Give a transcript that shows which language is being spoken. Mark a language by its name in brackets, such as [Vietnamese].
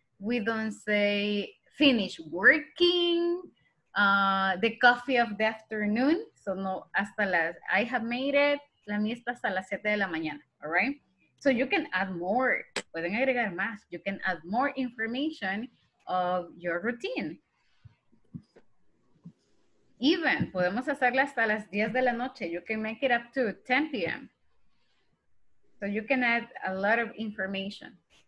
[English] We don't say finish working, the coffee of the afternoon. [Spanish] So no, hasta las, [English] I have made it, [Spanish] la mía está hasta las 7 de la mañana, [English] all right? So you can add more, [Spanish] pueden agregar más. [English] You can add more information of your routine. [Spanish] Even, podemos hacerla hasta las 10 de la noche. [English] You can make it up to 10 p.m. So you can add a lot of information.